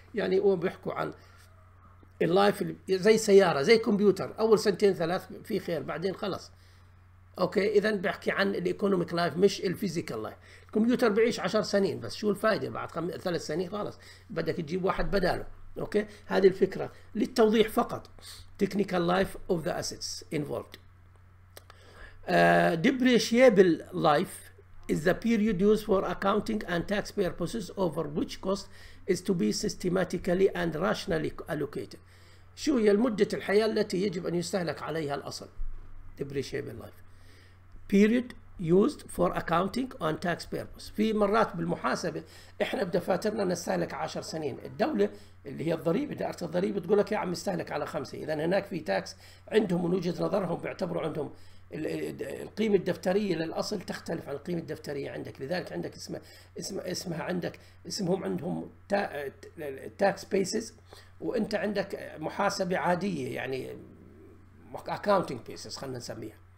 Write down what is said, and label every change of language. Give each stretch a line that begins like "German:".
Arabic: يعني هو بيحكوا عن اللايف زي سياره زي كمبيوتر، اول سنتين ثلاث في خير بعدين خلص. اوكي، اذا بحكي عن الايكونوميك لايف مش الفيزيكال لايف. الكمبيوتر بيعيش 10 سنين بس، شو الفائده بعد 3 سنين خلص بدك تجيب واحد بداله. اوكي، هذه الفكره للتوضيح فقط.
English: Technical life of the assets involved. Depreciable life is the period used for accounting and tax purposes over which cost is to be systematically and rationally allocated.
Arabic: شو هي المدة الحياة التي يجب أن يستهلك عليها الأصل؟ depreciable life.
English: period used for accounting and tax purposes.
Arabic: في مرات بالمحاسبة إحنا بدفاترنا نستهلك 10 سنين، الدولة اللي هي الضريبة دائرة الضريبة تقول لك يا عم استهلك على 5، إذا هناك في تاكس عندهم من وجهة نظرهم بيعتبروا عندهم القيمة الدفترية للأصل تختلف عن القيمة الدفترية عندك، لذلك عندك اسمهم عندهم تاكس بيسز، وأنت عندك محاسبة عادية يعني أكاونتينج بيسز خلينا نسميها.